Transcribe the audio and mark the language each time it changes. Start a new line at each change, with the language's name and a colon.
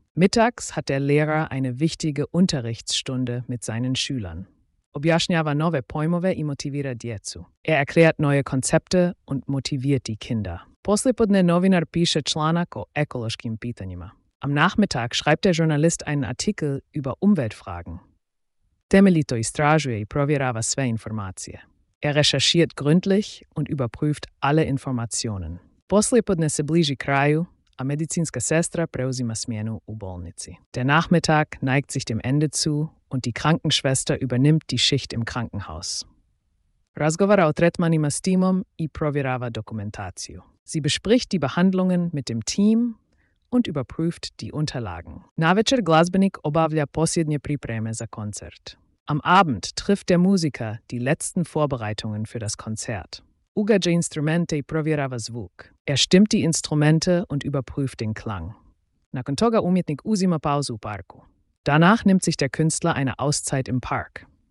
German: Mittags hat der Lehrer eine wichtige Unterrichtsstunde mit seinen Schülern.
Croatian: Objašnjava nove pojmove i motivira djecu.
German: Er erklärt neue Konzepte und motiviert die Kinder.
Croatian: Poslijepodne novinar piše članak o ekološkim pitanjima.
German: Am Nachmittag schreibt der Journalist einen Artikel über Umweltfragen.
Croatian: Temeljito istražuje i provjerava sve informacije.
German: Er recherchiert gründlich und überprüft alle Informationen.
Croatian: Poslijepodne se bliži kraju, a medicinska sestra preuzima smjenu u bolnici.
German: Der Nachmittag neigt sich dem Ende zu und die Krankenschwester übernimmt die Schicht im Krankenhaus.
Croatian: Razgovara o tretmanima s timom i provjerava dokumentaciju.
German: Sie bespricht die Behandlungen mit dem Team und überprüft die Unterlagen.
Croatian: Navečer glazbenik obavlja posljednje pripreme za koncert.
German: Am Abend trifft der Musiker die letzten Vorbereitungen für das Konzert.
Croatian: Ugađa instrumente i provjerava zvuk.
German: Er stimmt die Instrumente und überprüft den Klang.
Croatian: Nakon toga umjetnik uzima pauzu u parku.
German: Danach nimmt sich der Künstler eine Auszeit im Park.